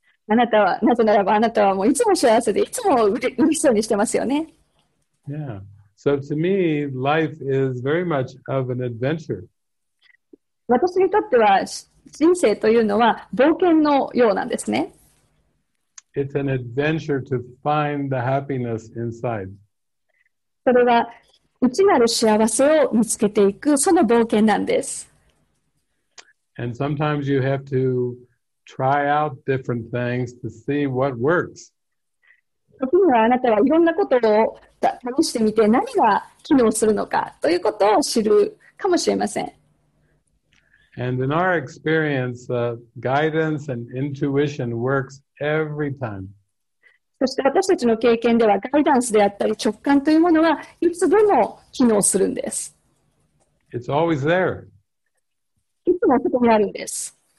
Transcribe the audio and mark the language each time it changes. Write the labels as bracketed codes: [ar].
[ja] あなたは、なぜならばあなたはもういつも幸せでいつも嬉しそうにしてますよね。 [en] Yeah. So to me, life is very much of an adventure. [ja] 私にとっては人生というのは冒険のようなんですね。 [en] It's an adventure to find the happiness inside. [ja] それは内なる幸せを見つけていくその冒険なんです。 [en] And sometimes you have to try out different things to see what works. [ja] 時にはあなたはいろんなことを試してみて何が機能するのかということを知るかもしれません。 [en] And in our experience, guidance and intuition works every time. [ja] そして私たちの経験ではガイダンスであったり直感というものはいつでも機能するんです。 [en] It's always there. [ja] いつもそこにあるんです。